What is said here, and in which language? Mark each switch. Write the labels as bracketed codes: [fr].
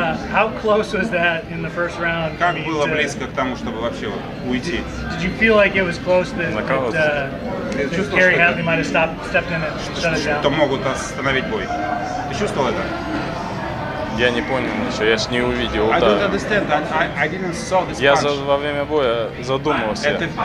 [en] how close was that in the first round? [ru] Как было близко к тому, чтобы вообще уйти? [en] Did you feel like it was close that Gary Hadley might have stepped in and shut it down? [ru] Что могут остановить бой? Ты чувствовал это? Я не понял ничего, я ж не увидел удара. Я во время боя задумывался.